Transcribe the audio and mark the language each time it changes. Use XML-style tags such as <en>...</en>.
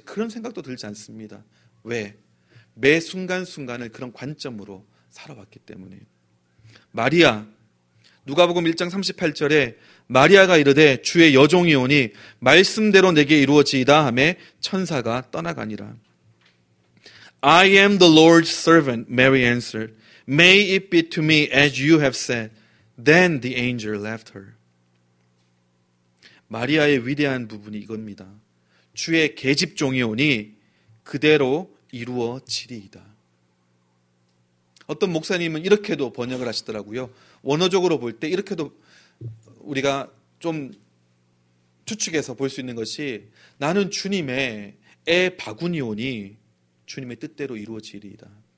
<ko>그런 생각도 들지 않습니다. 왜? 매 순간순간을 그런 관점으로 살아왔기 때문에. 마리아, 누가복음 1장 38절에 마리아가 이르되 주의 여종이 오니 말씀대로 내게 이루어지이다 하매 천사가 떠나가니라.</ko> <en>I am the Lord's servant, Mary answered. May it be to me as you have said. Then the angel left her.</en> <ko>마리아의 위대한 부분이 이겁니다. 주의 계집종이 오니 그대로 이루어지리이다. 어떤 목사님은 이렇게도 번역을 하시더라고요. 원어적으로 볼 때 이렇게도 우리가 좀 추측해서 볼 수 있는 것이, 나는 주님의 애 바구니 오니 주님의 뜻대로 이루어지리이다.</ko>